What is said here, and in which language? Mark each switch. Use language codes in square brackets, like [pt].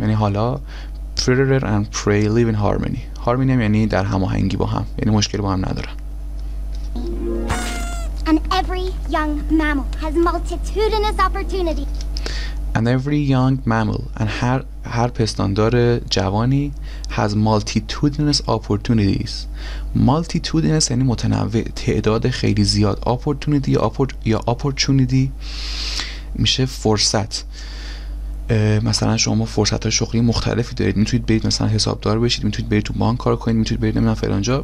[fa] یعنی حالا [en] predator and prey live in harmony. [fa] harmony هم یعنی در هماهنگی با هم، یعنی مشکل با هم ندارن. [en] And every young mammal has multitudinous opportunities. And every young mammal and [fa] هر پستاندار جوانی [en] has multitudinous opportunities. [fa] multitudinous یعنی متنوع، تعداد خیلی زیاد. opportunity opportunity میشه فرصت. مثلا شما فرصت‌های شغلی مختلفی دارید، میتونید برید مثلا حسابدار بشید، میتونید برید تو بانک کار کنید، میتونید برید نمیدونم فلان جا.